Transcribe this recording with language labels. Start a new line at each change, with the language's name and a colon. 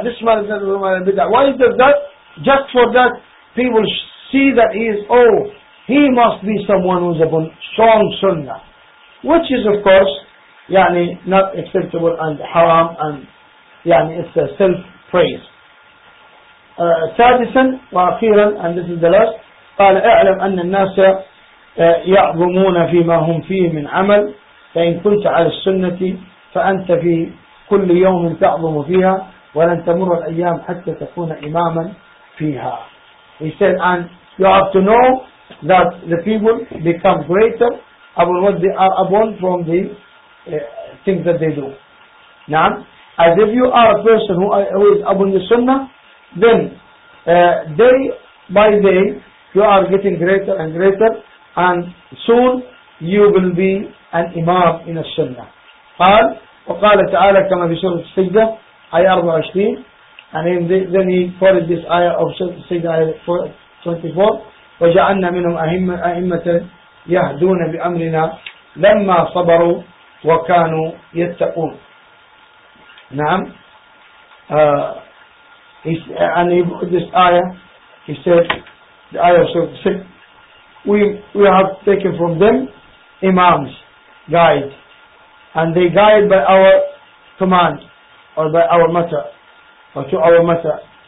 English: This man is not from Ahlul Bid'ah. Why is there that? Just for that, people see that he is, oh, he must be someone who is upon strong Sunnah. Which is, of course, yani, not acceptable and haram, and yani, it's a self-praise.
Arabic: ثالثا وأخيرا,
English: and this is the last,
Arabic: قال اعلم أن الناس يعظمون فيما هم فيه من عمل فإن كنت على السنة فأنت في كل يوم تعظم فيها ولن تمر الأيام حتى تكون إماما فيها.
English: He said, and you have to know that the people become greater upon what they are upon from the things that they do. نعم, as if you are a person who is upon the sunnah, then day by day you are getting greater and greater, and soon you will be an imam in a sunnah.
Arabic: قال وقال تعالى كما في سورة السجدة آيه 24,
English: and then he followed this ayah of
Arabic: سورة السجدة آيه 24, وجعلنا منهم أئمة يهدون بأمرنا لما صبروا وكانوا يتقون.
English: نعم, and he put this ayah, he said, the ayah of Surah 6, we have taken from them imams, guide, and they guide by our command, or by our matter, or to our matter.